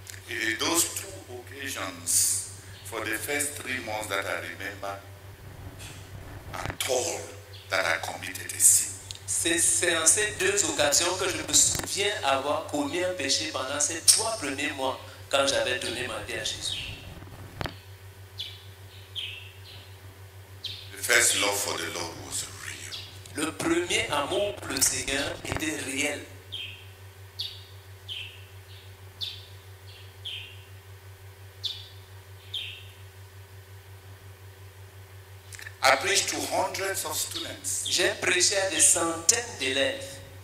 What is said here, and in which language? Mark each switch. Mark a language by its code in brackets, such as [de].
[en] In those two occasions, for the first 3 months that I remember, I'm told that I committed a sin. [fr] C'est en ces deux occasions que je me souviens avoir commis un péché pendant ces 3 premiers mois quand j'avais donné ma vie à Jésus. [en] The first love for the Lord was real. [fr] Le premier amour pour le Seigneur était réel. [en] I preached to hundreds of students. [fr] J'ai prêché à des centaines d'élèves.